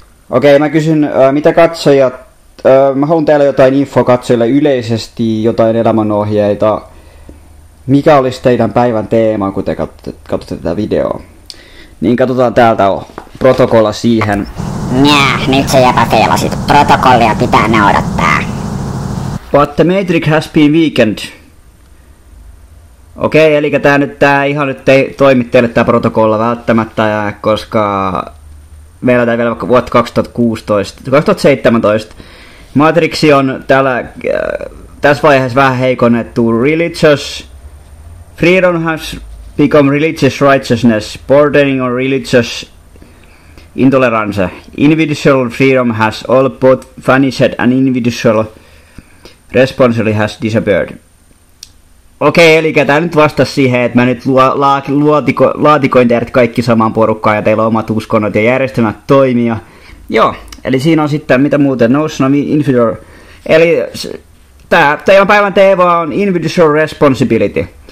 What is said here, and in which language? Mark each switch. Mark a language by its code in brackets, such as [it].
[fi] Okei, mä kysyn, mitä katsojat... mä haluan täällä jotain infoa katsojille yleisesti, jotain elämänohjeita. Mikä olisi teidän päivän teema, kun te katsotte tätä videoa? Niin katsotaan täältä on protokolla siihen. Nääh, nyt se jäpä teilasit. Protokollia pitää noudattaa. [en] But the Matrix has been weakened. [fi] Okei, eli tää ihan nyt ei toimi teille tää protokolla välttämättä, koska meillä tää vielä vaikka vuotta 2017. Matrix on tässä vaiheessa vähän heikonnettu [en] religious. Freedom has become religious righteousness, bordering on religious intolerance. Individual freedom has all both vanished and individual responsibility has disappeared. [fi] Okei, eli tää nyt vastasi siihen, että mä nyt laatikoin teidät kaikki samaan porukkaan ja teillä on omat uskonnot ja järjestelmät toimia. Joo, eli siinä on sitten, mitä muuten, individual. Eli tää teidän päivän teema on [en] individual responsibility.